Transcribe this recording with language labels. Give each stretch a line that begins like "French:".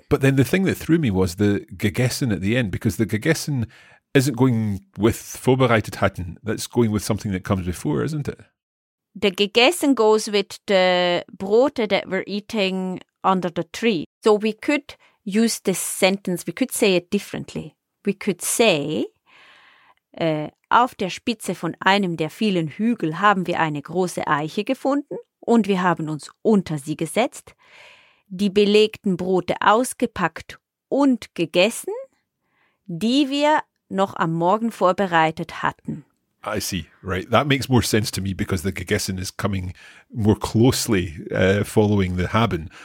English: But then the thing that threw me was the gegessen at the end, because the gegessen isn't going with vorbereitet hatten. That's going with something that comes before, isn't it? The gegessen goes with the Brote that we're eating under the tree. So we could use this sentence, we could say it differently. We could say,
German: auf der Spitze von einem der vielen Hügel haben wir eine große Eiche gefunden und wir haben uns unter sie gesetzt, die belegten Brote ausgepackt und gegessen, die wir noch am Morgen vorbereitet hatten.
English: I see, right. That makes more sense to me because the gegessen is coming more closely following the haben.